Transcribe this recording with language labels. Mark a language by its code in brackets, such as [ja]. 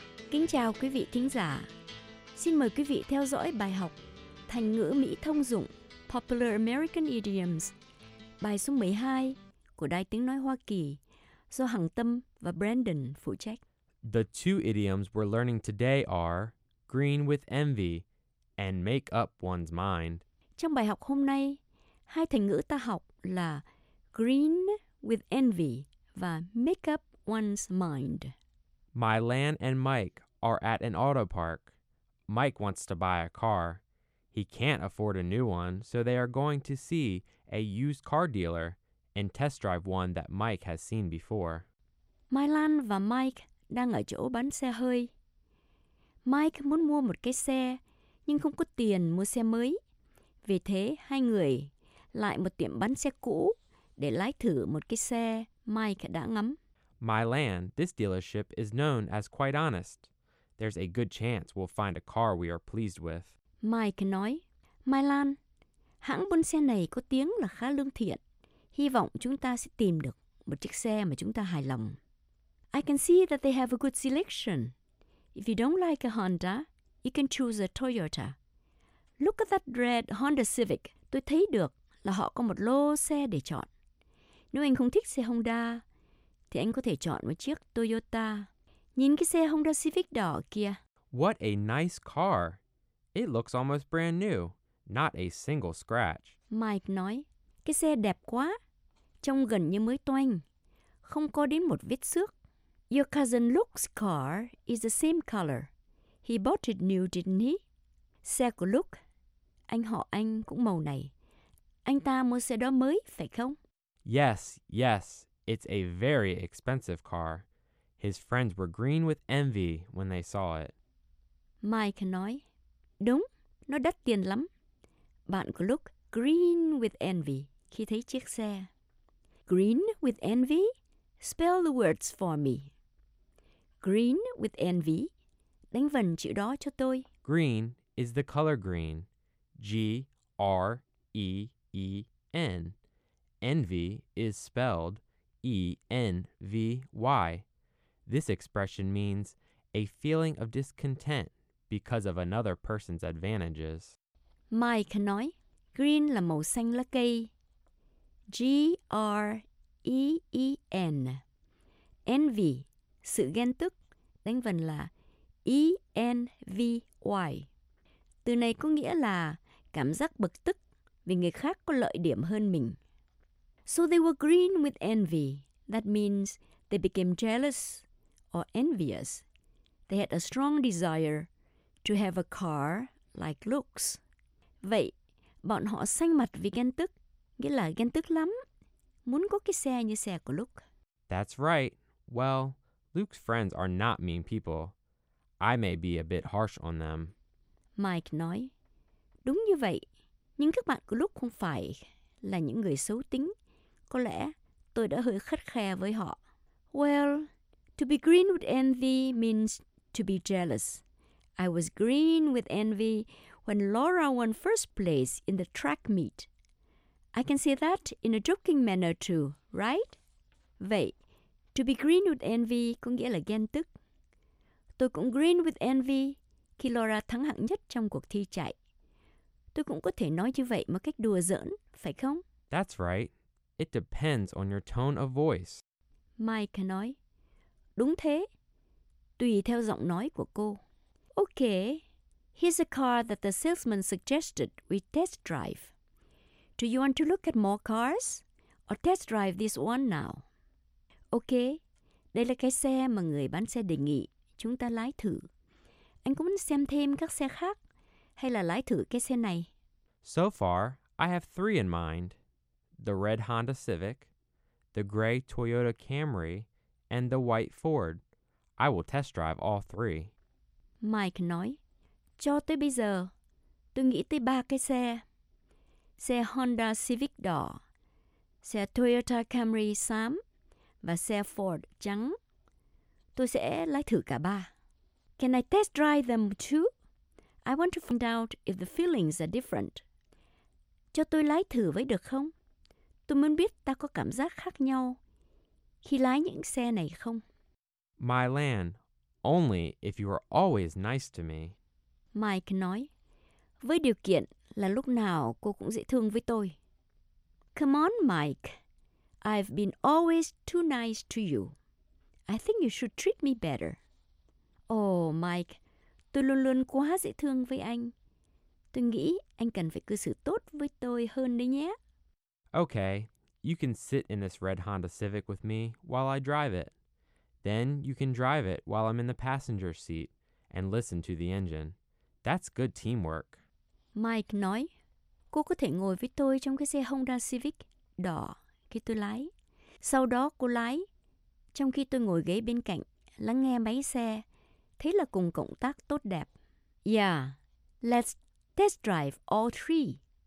[vi] Kính chào quý vị thính giả. Xin mời quý vị theo dõi bài học Thành ngữ Mỹ thông dụng [en] Popular American Idioms, [vi] bài số 12 của Đài Tiếng Nói Hoa Kỳ, do Hằng Tâm và Brandon phụ trách. [en] The two idioms we're learning today are green with envy and make up one's mind. [vi] Trong bài học hôm nay, hai thành ngữ ta học là [en] green with envy [vi] và [en] make up one's mind. My Lan and Mike are at an auto park. Mike wants to buy a car. He can't afford a new one, so they are going to see a used car dealer and test drive one that Mike has seen before. [vi] Mai Lan và Mike đang ở chỗ bán xe hơi. Mike muốn mua một cái xe, nhưng không có tiền mua xe mới. Vì thế, hai người lại một tiệm bán xe cũ để lái thử một cái xe Mike đã ngắm. [en] Mai Lan, this dealership is known as quite honest. There's a good chance we'll find a car we are pleased with. [vi] Mike nói, Mai Lan, hãng buôn xe này có tiếng là khá lương thiện. Hy vọng chúng ta sẽ tìm được một chiếc xe mà chúng ta hài lòng. [en] I can see that they have a good selection. If you don't like a Honda, you can choose a Toyota. Look at that red Honda Civic. [vi] Tôi thấy được là họ có một lô xe để chọn. Nếu anh không thích xe Honda, thì anh có thể chọn một chiếc Toyota. Nhìn cái xe Honda Civic đỏ kia. [en] What a nice car. It looks almost brand new. Not a single scratch. [vi] Mike nói, cái xe đẹp quá. Trông gần như mới toanh. Không có đến một vết xước. [en] Your cousin Luke's car is the same color. He bought it new, didn't he? [vi] Xe của Luke, anh họ anh cũng màu này. Anh ta mua xe đó mới, phải không? [en] Yes, yes. It's a very expensive car. His friends were green with envy when they saw it. [vi] Mike nói, đúng, nó đắt tiền lắm. Bạn của Luke [en] green with envy [vi] khi thấy chiếc xe. [en] Green with envy? Spell the words for me. Green with envy. [vi] Đánh vần chữ đó cho tôi. [en] Green is the color green. G-R-E-E-N. Envy is spelled E-N-V-Y. This expression means a feeling of discontent because of another person's advantages. [vi] Mike nói, green là màu xanh lá cây. G-R-E-E-N. Envy, sự ghen tức, đánh vần là E-N-V-Y. Từ này có nghĩa là cảm giác bực tức vì người khác có lợi điểm hơn mình. [en] So they were green with envy. That means they became jealous or envious. They had a strong desire to have a car like Luke's. [vi] Vậy, bọn họ xanh mặt vì ghen tức, nghĩa là ghen tức lắm, muốn có cái xe như xe của Luke. [en] That's right. Well, Luke's friends are not mean people. I may be a bit harsh on them. [vi] Mike nói, đúng như vậy, nhưng các bạn của Luke không phải là những người xấu tính. Có lẽ tôi đã hơi khắt khe với họ. [en] Well, to be green with envy means to be jealous. I was green with envy when Laura won first place in the track meet. I can say that in a joking manner too, right? [vi] Vậy, [en] to be green with envy [vi] có nghĩa là ghen tức. Tôi cũng [en] green with envy [vi] khi Laura thắng hạng nhất trong cuộc thi chạy. Tôi cũng có thể nói như vậy một cách đùa giỡn, phải không? [en] That's right. It depends on your tone of voice. [vi] Mike nói, đúng thế, tùy theo giọng nói của cô. [en] Okay, here's a car that the salesman suggested we test drive. Do you want to look at more cars or test drive this one now? [vi] Okay, đây là cái xe mà người bán xe đề nghị chúng ta lái thử. Anh có muốn xem thêm các xe khác hay là lái thử cái xe này? [en] So far, I have three in mind. The red Honda Civic, the gray Toyota Camry, and the white Ford. I will test drive all three. [vi] Mike nói, cho tới bây giờ, tôi nghĩ tới ba cái xe. Xe Honda Civic đỏ, xe Toyota Camry xám, và xe Ford trắng. Tôi sẽ lái thử cả ba. [en] Can I test drive them too? I want to find out if the feelings are different. [vi] Cho tôi lái thử với được không? Tôi muốn biết ta có cảm giác khác nhau khi lái những xe này không. [en] My Lan, only if you are always nice to me. [vi] Mike nói, với điều kiện là lúc nào cô cũng dễ thương với tôi. [en] Come on, Mike. I've been always too nice to you. I think you should treat me better. [vi] Oh, Mike, tôi luôn luôn quá dễ thương với anh. Tôi nghĩ anh cần phải cư xử tốt với tôi hơn đấy nhé. [en] Okay, you can sit in this red Honda Civic with me while I drive it. Then you can drive it while I'm in the passenger seat and listen to the engine. That's good teamwork. [vi] Mike nói, cô có thể ngồi với tôi trong cái xe Honda Civic đỏ khi tôi lái. Sau đó cô lái, trong khi tôi ngồi ghế bên cạnh, lắng nghe máy xe. Thế là cùng cộng tác tốt đẹp. [en] Yeah, let's test drive all three.